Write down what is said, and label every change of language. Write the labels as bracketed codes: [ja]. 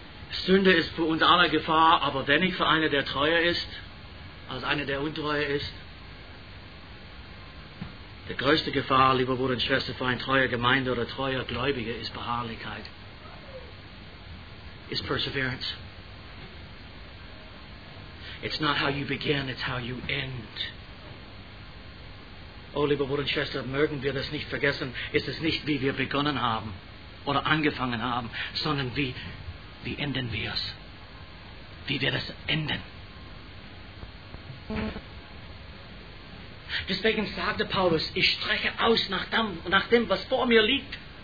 [de] Sünde ist für uns alle Gefahr, aber wenn ich für einen, der treuer ist, als einer, der untreuer ist, die größte Gefahr, liebe Bruder und Schwester, für eine treue Gemeinde oder treue Gläubige ist Beharrlichkeit. Ist Perseverance. [en] It's not how you begin, it's how you end. [de] Oh, liebe Bruder und Schwester, mögen wir das nicht vergessen, ist es nicht, wie wir begonnen haben oder angefangen haben, sondern wie enden wir es? Wie wir das enden? Deswegen sagte Paulus, ich strecke aus nach dem, was vor mir liegt.